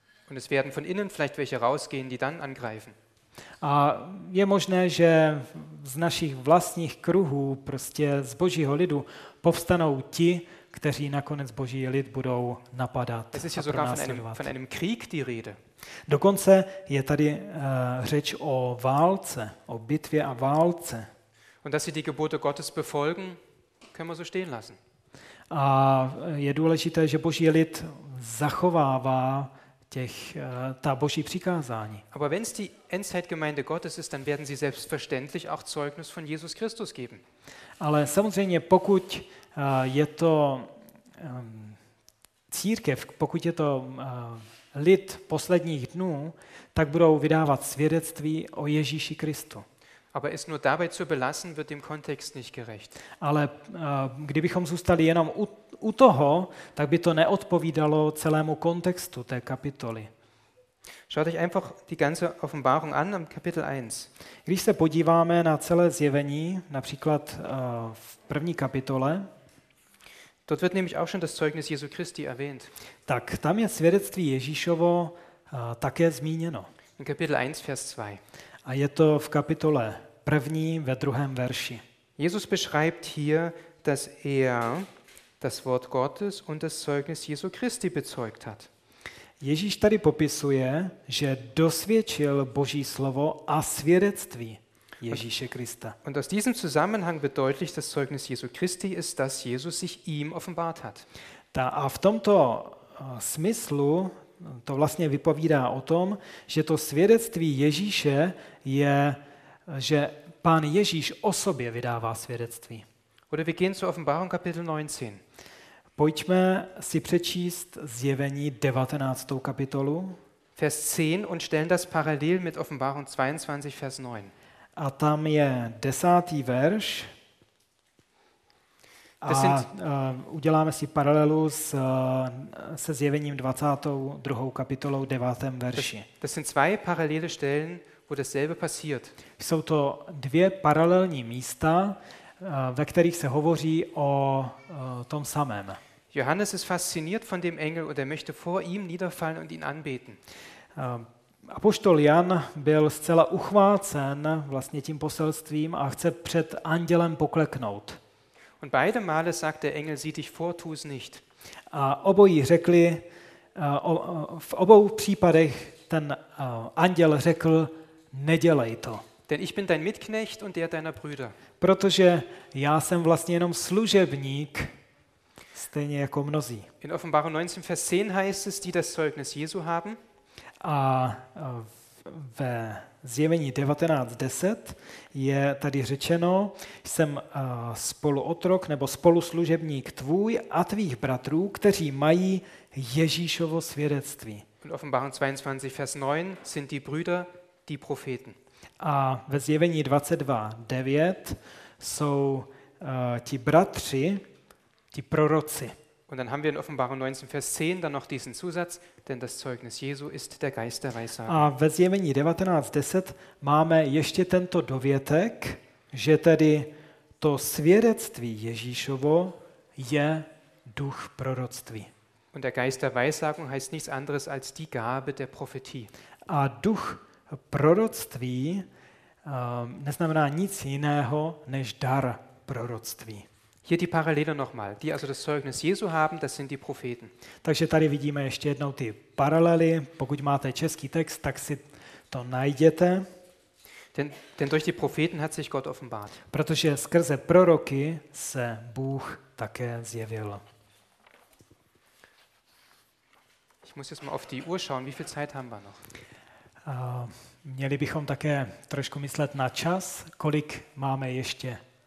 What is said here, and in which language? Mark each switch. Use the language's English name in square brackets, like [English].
[German] Und es werden von innen vielleicht welche rausgehen, die dann angreifen. [Czech] A je možné, že z našich vlastních kruhů, prostě z Božího lidu, povstanou ti, kteří nakonec Boží lid budou napadat. [German] Es ist hier sogar von einem Krieg die Rede. [Czech] Dokonce je tady řeč o válce, o bitvě a válce. [German] Und dass sie die Gebote Gottes befolgen, können wir so stehen lassen. [Czech] A je důležité, že Boží lid zachovává ta Boží přikázání. [German] Aber wenn es die Endzeitgemeinde Gottes ist, dann werden sie selbstverständlich auch Zeugnis von Jesus Christus geben. [Czech] Ale samozřejmě, pokud je to církev, pokud je to lid posledních dnů, tak budou vydávat svědectví o Ježíši Kristu. [German] Aber es nur dabei zu belassen, wird dem Kontext nicht gerecht. [Czech] Ale kdybychom zůstali jenom u toho, tak by to neodpovídalo celému kontextu té kapitoly. [German] Schaut euch einfach die ganze Offenbarung an am Kapitel 1. [Czech] Když se podíváme na celé zjevení, například v první kapitole, [German] dort wird nämlich auch schon das Zeugnis Jesu Christi erwähnt. [Czech] Tak tam je svědectví Ježíšovo také zmíněno. [German] In Kapitel 1 Vers 2. [Czech] A je to v kapitole 1. ve 2. verši. [German] Jesus beschreibt hier, dass er das Wort Gottes und das Zeugnis Jesu Christi bezeugt hat. [Czech] Ježíš tady popisuje, že dosvědčil Boží slovo a svědectví Ježíše Krista. [German] Und aus diesem Zusammenhang wird deutlich, dass Zeugnis Jesu Christi ist, dass Jesus sich ihm offenbart hat. [Czech] Ta a v tomto smyslu to vlastně vypovídá o tom, že to svědectví Ježíše je, že Pán Ježíš o sobě vydává svědectví. [German] Oder wir gehen zur Offenbarung Kapitel 19. [Czech] Pojďme si přečíst Zjevení 19. kapitolu. [German] Vers 10 und stellen das parallel mit Offenbarung 22 Vers 9. [Czech] A tam je 10. verš. A uděláme si paralelu se Zjevením 22. kapitolou 9. verši. [German] Das sind zwei parallele Stellen, wo dasselbe passiert. [Czech] Jsou to dvě paralelní místa, ve kterých se hovoří o tom samém. [German] Johannes ist fasziniert von dem Engel und er möchte vor ihm niederfallen und ihn anbeten. [Czech] Apoštol Jan byl zcela uchvácen vlastně tím poselstvím a chce před andělem pokleknout. [German] Und beide Male sagt der Engel, sieh dich vor, tu es nicht. [Czech] A obojí řekli, v obou případech ten anděl řekl, nedělej to. [German] Denn ich bin dein Mitknecht und der deiner Brüder. [Czech] Protože já jsem vlastně jenom služebník, stejně jako mnozí. [German] In Offenbarung 19, Vers 10 heißt es, die das Zeugnis Jesu haben. [Czech] A ve Zjevení 19.10 je tady řečeno, jsem spoluotrok nebo spoluslužebník tvůj a tvých bratrů, kteří mají Ježíšovo svědectví. [German] In Offenbarung 22, Vers 9 sind die Brüder, die Propheten. [Czech] A ve Zjevení 22.9 jsou ti bratři, ti proroci. [German] Und dann haben wir in Offenbarung 19 Vers 10 dann noch diesen Zusatz, denn das Zeugnis Jesu ist der Geist der Weissagung. [Czech] A ve Zjevení 19:10 máme ještě tento dovětek, že tedy to svědectví Ježíšovo je duch proroctví. [German] Und der Geist der Weissagung heißt nichts anderes als die Gabe der Prophetie. [Czech] A duch proroctví neznamená nic jiného než dar proroctví. [German] Hier die Parallele nochmal. Die also das Zeugnis Jesu haben, das sind die Propheten. [Czech] Takže tady vidíme ještě jednou ty paralely. Pokud máte český text, tak si to najděte. [German] Denn durch die Propheten hat sich Gott offenbart. [Czech] Protože skrze proroky se Bůh také zjevil. [German] Ich muss jetzt mal auf die Uhr schauen. Wie viel Zeit haben wir noch? [Czech] Měli bychom také trošku myslet na čas, kolik máme ještě.